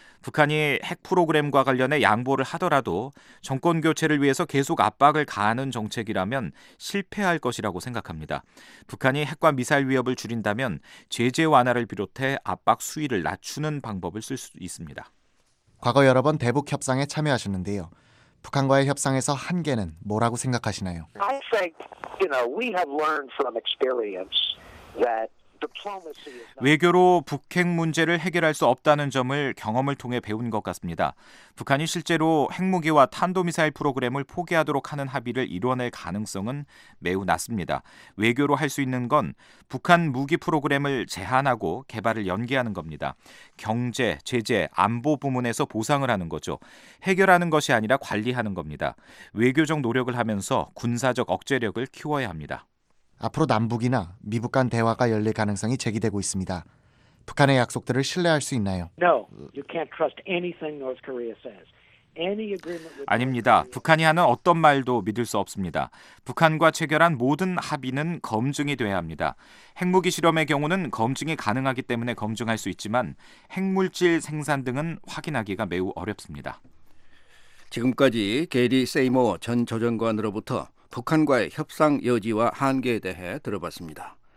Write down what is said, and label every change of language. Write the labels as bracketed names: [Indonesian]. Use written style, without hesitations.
[Korean] 북한이 핵 프로그램과 관련해 양보를 하더라도 정권교체를 위해서 계속 압박을 가하는 정책이라면 실패할 것이라고 생각합니다. 북한이 핵과 미사일 위협을 줄인다면 제재 완화를 비롯해 압박 수위를 낮추는 방법을 쓸 수 있습니다. 과거 여러 번 대북 협상에 참여하셨는데요. 북한과의 협상에서 한계는 뭐라고 생각하시나요? [English] I think, you know, we have learned from experience that [Korean] 외교로 북핵 문제를 해결할 수 없다는 점을 경험을 통해 배운 것 같습니다. 북한이 실제로 핵무기와 탄도미사일 프로그램을 포기하도록 하는 합의를 이뤄낼 가능성은 매우 낮습니다. 외교로 할 수 있는 건 북한 무기 프로그램을 제한하고 개발을 연기하는 겁니다. 경제, 제재, 안보 부문에서 보상을 하는 거죠. 해결하는 것이 아니라 관리하는 겁니다. 외교적 노력을 하면서 군사적 억제력을 키워야 합니다. 앞으로 남북이나 미북 간 대화가 열릴 가능성이 제기되고 있습니다. 북한의 약속들을 신뢰할 수 있나요? [English] No, you can't trust anything North Korea says. [Korean] 아닙니다. 북한이 하는 어떤 말도 믿을 수 없습니다. 북한과 체결한 모든 합의는 검증이 돼야 합니다. 핵무기 실험의 경우는 검증이 가능하기 때문에 검증할 수 있지만 핵물질 생산 등은 확인하기가 매우 어렵습니다. 지금까지 게리 세이머 전 조정관으로부터 북한과의 협상 여지와 한계에 대해 들어봤습니다.